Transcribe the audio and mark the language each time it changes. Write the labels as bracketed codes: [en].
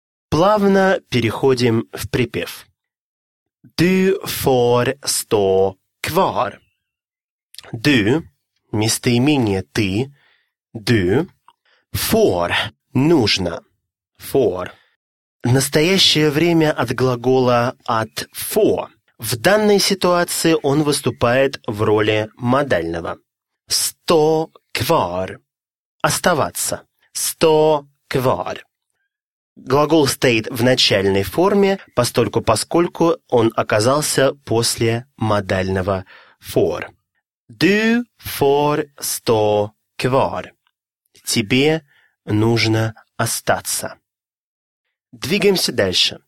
[ru] Плавно переходим в припев. [sv] Du får stå kvar. [ru] Du – местоимение «ты». Du – får – нужно. Får – настоящее время от глагола «at få». В данной ситуации он выступает в роли модального. Stå kvar – оставаться. [sv] Stå kvar. [ru] Глагол стоит в начальной форме, поскольку он оказался после модального for. [sv] Du får stå kvar. [ru] Тебе нужно остаться. Двигаемся дальше.